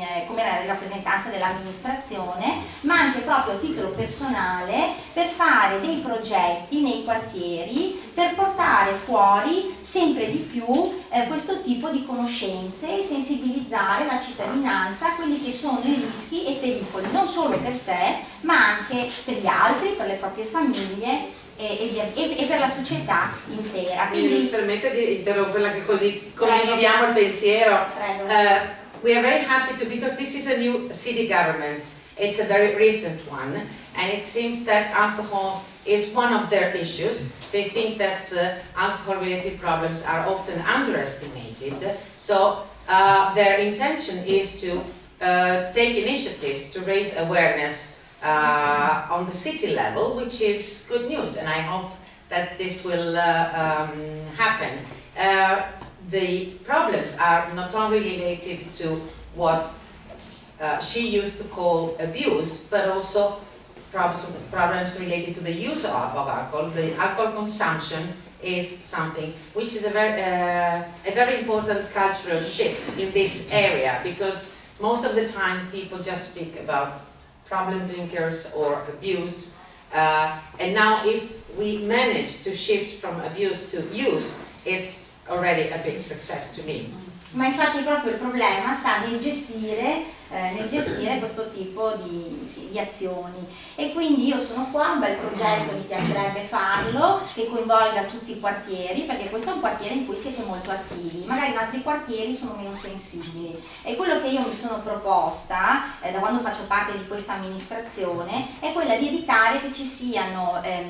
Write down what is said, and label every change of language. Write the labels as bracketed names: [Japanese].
[Italian] come rappresentanza dell'amministrazione, ma anche proprio a titolo personale per fare dei progetti nei quartieri per portare fuori sempre di più questo tipo di conoscenze e sensibilizzare la cittadinanza a quelli che sono i rischi e pericoli, non solo per sé, ma anche per gli altri, per le proprie famiglie e per la società intera. Quindi mi permette di interromperla, che così condividiamo il pensiero. [English] We are very happy to, because this is a new city government, it's a very recent one, and it seems that alcohol is one of their issues. They think that alcohol-related problems are often underestimated, so their intention is to take initiatives to raise awareness on the city level, which is good news, and I hope that this will happen. The problems are not only related to what she used to call abuse, but also problems related to the use of alcohol. The alcohol consumption is something which is a very important cultural shift in this area, because most of the time people just speak about problem drinkers or abuse, and now if we manage to shift from abuse to use, it's already a big success to me. [Italian] Ma infatti proprio il problema sta nel gestire questo tipo di azioni, e quindi io sono qua, un bel progetto, mi piacerebbe farlo, che coinvolga tutti i quartieri, perché questo è un quartiere in cui siete molto attivi, magari in altri quartieri sono meno sensibili, e quello che io mi sono proposta da quando faccio parte di questa amministrazione è quella di evitare che ci siano